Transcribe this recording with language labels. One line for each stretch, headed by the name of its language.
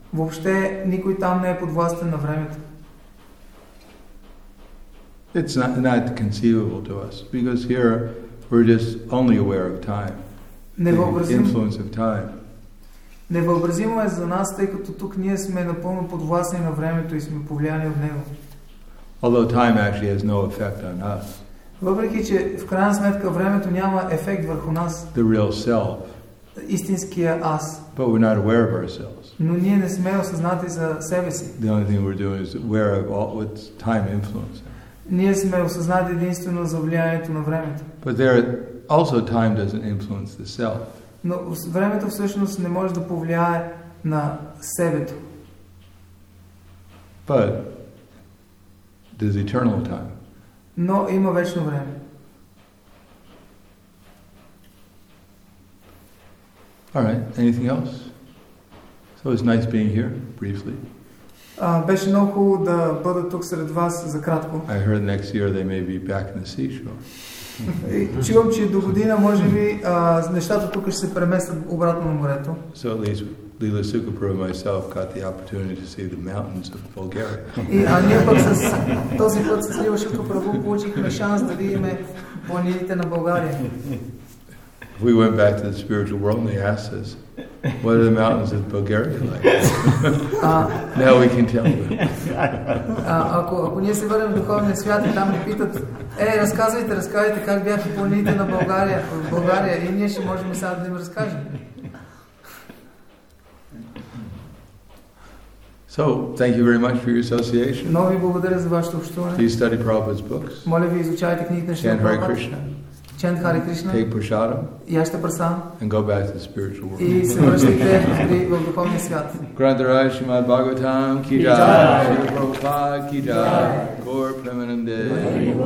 Bulgarian: Въобще никой там не е подвластен на времето.
English: It's not conceivable to us because here we're just only aware of time. The influence of time.
Bulgarian: Невъобразимо е за нас, тъй като тук ние сме напълно подвластни на времето и сме повлияни от него.
English: Although time actually has no effect on us.
Bulgarian: Въпреки че в крайна сметка времето няма ефект върху нас.
English: The real self.
Bulgarian: Истинския аз.
English: But we're not aware of ourselves.
Bulgarian: Но ние не сме осъзнати за себе си.
English: The only thing we're doing is aware of all what's time influence.
Bulgarian: Ние сме осъзнати единствено за влиянието на времето.
English: But there also time doesn't influence the self.
Bulgarian: Но времето всъщност не може да повлияе на себето.
English: But there's eternal time.
Bulgarian: Но има вечно време.
English: All right, anything else? So it's nice being here briefly.
Bulgarian: Беше много хубаво да бъда тук сред вас за кратко.
English: I heard next year they may be back in the seashore.
Bulgarian: Чувам, че до година може би нещата тук ще се преместят обратно на морето.
English: So at least Lila Sukhapuru and myself got the opportunity to see the mountains of Bulgaria.
Bulgarian: И а ние пък с този път с Лила Сукхапуру получихме шанс да видим планините на България.
English: If we went back to the spiritual world and they asked us, what are the mountains of Bulgaria like? Now we can tell them.
Bulgarian: Ако ние се върнем в духовния свят и там ни питат, разказвайте как бяха планините на България, в България, и ние ще можем сега да им разкажем.
English: So, thank you very much for your association.
Bulgarian: Много ви благодаря за вашето общуване.
English: Please study Prabhupada's books.
Bulgarian: Моля ви, изучавайте книгите на Шрила
English: Прабхупада. Chant Hare Krishna.
Bulgarian: Чент Хари Кришна.
English: Take prasadam.
Bulgarian: Яща прасадам.
English: And go back to the spiritual world.
Bulgarian: И се връщайте в духовния свят. Грандарай Шримад Бхагаватам Ки Джай. Шрила Прабхупада Ки Джай. Гор Премананде.